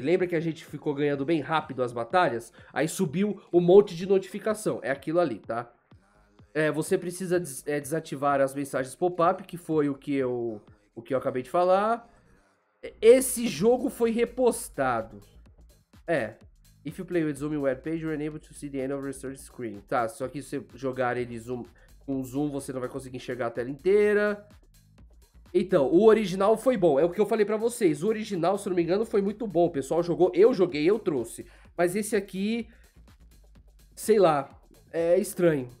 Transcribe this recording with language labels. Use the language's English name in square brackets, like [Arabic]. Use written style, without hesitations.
[Portuguese] Lembra que a gente ficou ganhando bem rápido as batalhas? Aí subiu um monte de notificação. É aquilo ali, tá? É, você precisa desativar as mensagens pop-up, que foi o que eu acabei de falar. Esse jogo foi repostado. É. [English] If you play with zooming webpage, you're unable to see the end of the research screen. [Portuguese] Tá, só que se você jogar ele zoom, com zoom, você não vai conseguir enxergar a tela inteira. Então, o original foi bom. É o que eu falei pra vocês. O original, se não me engano, foi muito bom. O pessoal jogou, eu joguei, eu trouxe. Mas esse aqui, sei lá, é estranho.